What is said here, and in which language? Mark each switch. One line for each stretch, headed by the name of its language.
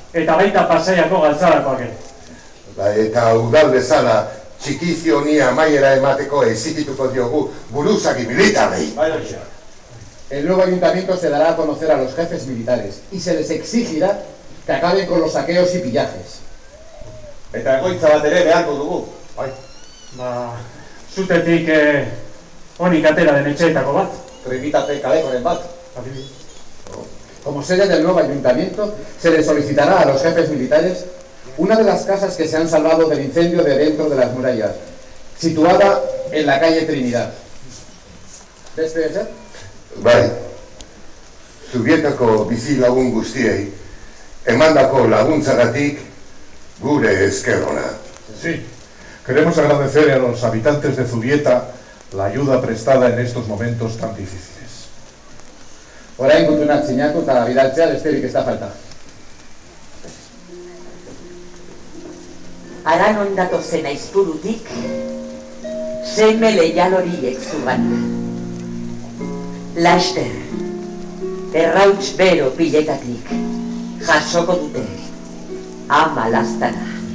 Basque: Eta baita pasaiako galtzarakoak ere. Bai, eta udal bezala, txikizio ni amaiera emateko ezikituko diogu buruzagi militarrei. Bai, doxia.
Spanish: El nuevo ayuntamiento se dará a conocer a los jefes militares y se les exigirá que acaben con los saqueos y pillajes.
Basque: Eta egoitza bat ere beharko dugu. Bai. Ba, zutetik honik atera den etxeetako bat. Trimitate kalekoren bat.
Spanish: Como sede del nuevo ayuntamiento, se le solicitará a los jefes militares una de las casas que se han salvado del incendio de dentro de las murallas, situada en la calle Trinidad. ¿Ves, Pedro?
Basque: Bai, Zubietako bizilagun guztiei, emandako laguntzagatik, gure esker ona.
Spanish: Sí, queremos agradecer a los habitantes de Zubieta la ayuda prestada en estos momentos tan difíciles.
Basque: Orain gutunak sinatu eta bidaltzea besterik ez da falta. Aran ondato zen aizpurutik, seme leial horiek zuban. Laster, errauts bero piletatik, jasoko dute, ama lastana.